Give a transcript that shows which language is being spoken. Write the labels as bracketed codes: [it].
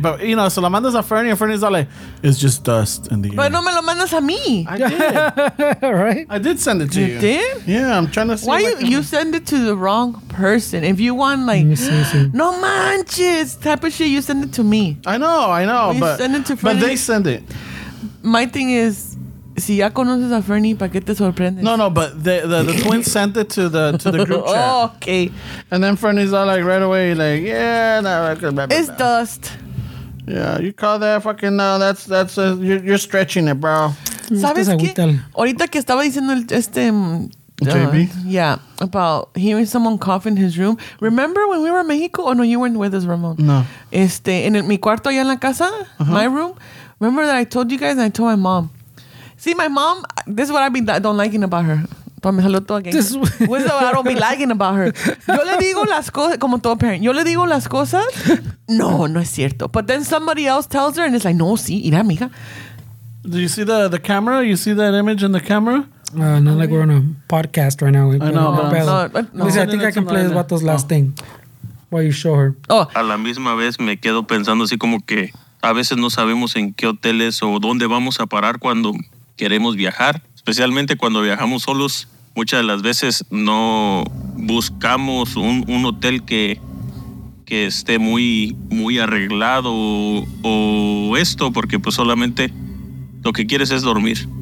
[en] But, you know, so [es] la mandas a [en] Fernie, and Fernie's all like, it's just dust in the air. [es] But no me lo mandas a mí. [en] I did. Right? I did send it to you. You did? Yeah, I'm trying to see. Why you send it to the wrong person? If you want, like, [es] no manches [en] type of shit, you send it to me. I know. You but send it to Fernie. Send it. My thing is, [es] si ya conoces a Fernie, ¿para qué te sorprendes? [en] No, but the twins sent it to the group chat. Oh, okay. And then Fernie's all like right away, like, yeah, nah, blah, blah, blah, it's blah. Dust. Yeah, you call that fucking no? That's you're stretching it, bro. [es] Sabes que ahorita que estaba diciendo [en] JB, yeah, about hearing someone cough in his room. Remember when we were in Mexico? Oh no, you weren't with us, Ramon. No. [es] En mi cuarto allá en la casa, [en] my room. Remember that I told you guys and I told my mom. See, my mom, this is what I don't liking about her. This is what I don't be liking about her. [es] Yo le digo las cosas, como todo parent. Yo le digo las cosas. No, no es cierto. [en] But then somebody else tells her and it's like, [es] no, sí, mira, mija. [en] Do you see the camera? You see that image in the camera? Not like we're on a podcast right now. I know. No. Listen, I think I can play this vato's last thing while you show her. Oh. [es] A la misma vez me quedo pensando así como que a veces no sabemos en qué hoteles o dónde vamos a parar cuando queremos viajar, especialmente cuando viajamos solos. Muchas de las veces no buscamos un hotel que esté muy, muy arreglado o esto, porque pues solamente lo que quieres es dormir.